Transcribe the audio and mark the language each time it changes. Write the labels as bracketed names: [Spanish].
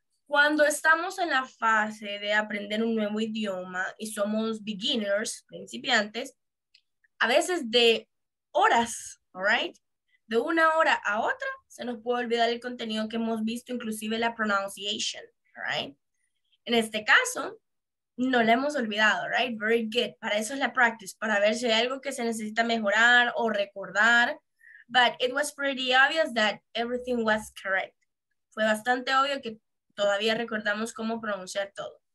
[Spanish] Cuando estamos en la fase de aprender un nuevo idioma y somos beginners, principiantes, a veces de horas, [English] all right? [Spanish] De una hora a otra, se nos puede olvidar el contenido que hemos visto, inclusive la pronunciation, [English] all right? [Spanish] En este caso, no la hemos olvidado, right? [English] Very good. [Spanish] Para eso es la practice, para ver si hay algo que se necesita mejorar o recordar. [English] But it was pretty obvious that everything was correct. [Spanish] Fue bastante obvio que todavía recordamos cómo pronunciar todo.